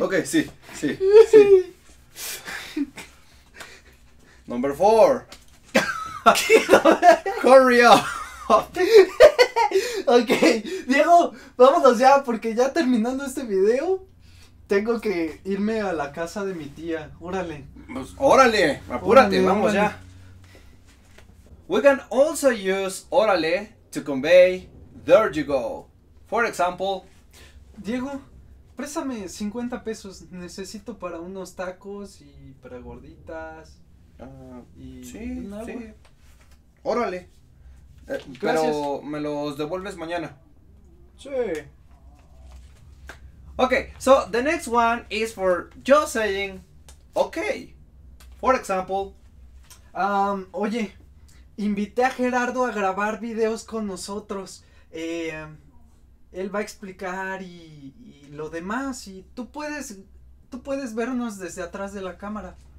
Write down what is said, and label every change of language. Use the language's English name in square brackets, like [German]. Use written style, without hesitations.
[Spanish] Ok, sí, sí, sí. [English] Number 4. Hurry up. [Spanish] Ok, Diego, vámonos ya, porque ya terminando este video, tengo que irme a la casa de mi tía. Órale. Pues, órale, apúrate, órale, vamos, órale, ya. [English] We can also use órale to convey there you go. For example, [Spanish] Diego, préstame 50 pesos, necesito para unos tacos y para gorditas. Y sí, un agua. Sí. Órale, pero me los devuelves mañana. Sí. [English] Okay, so the next one is for just saying, okay. For example, [Spanish] oye, invité a Gerardo a grabar videos con nosotros. Él va a explicar y lo demás. Y tú puedes vernos desde atrás de la cámara.